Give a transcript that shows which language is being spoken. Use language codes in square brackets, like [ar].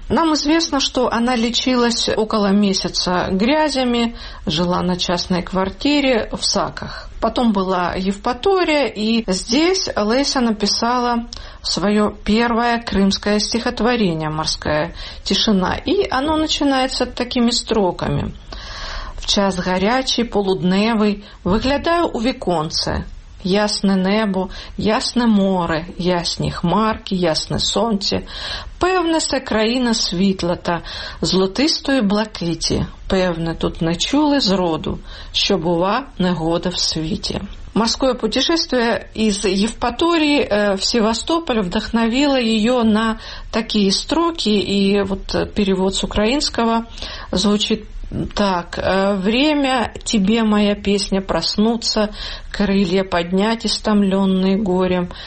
[ru] Нам известно, что она лечилась около месяца грязями, жила на частной квартире в Саках. Потом была Евпатория, и здесь Леся написала свое первое крымское стихотворение «Морская тишина». И оно начинается такими строками. [uk] «В час горячий, полудневый, выглядаю у віконце. Ясне небо, ясне море, ясні хмарки, ясне сонце. Певне се країна світла та золотистої блакиті. Певне тут не чули зроду, що бува негода в світі». [ru] Морское путешествие из Евпатории в Севастополь вдохновило ее на такие строки, и вот перевод с украинского звучит так: «Время тебе, моя песня, проснуться, крылья поднять, истомленные горем.